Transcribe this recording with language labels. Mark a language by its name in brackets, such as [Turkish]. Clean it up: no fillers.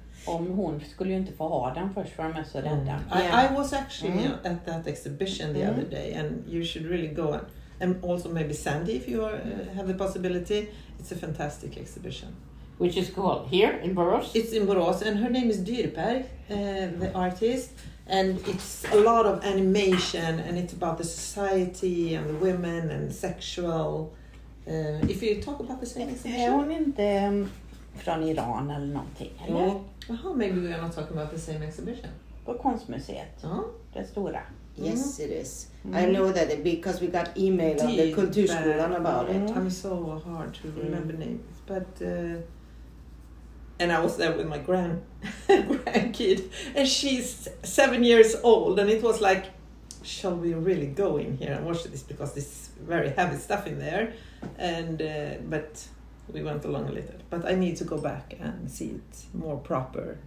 [Swedish] Om hon skulle ju inte få ha den först för mig så den där. [English] I was actually at that exhibition the other day, and you should really go. And also maybe Sandy, if you are, have the possibility, it's a fantastic exhibition. Which is called here in Borås? It's in Borås, and her name is Dyrberg, the artist. And it's a lot of animation, and it's about the society and the women and sexual. If you talk about the same exhibition. [Swedish] Är hon inte från Iran eller någonting, eller? [English] Well, maybe we are not talking about the same exhibition. [Swedish] På Konstmuseet, det stora. [English] Yes, it is. I know that because we got email on the Kulturskolan about it. I'm so hard to remember names, but... And I was there with my grandkid, and she's 7 years old, and it was like, shall we really go in here and watch this, because this very heavy stuff in there, and but we went along a little, but I need to go back and see it more proper.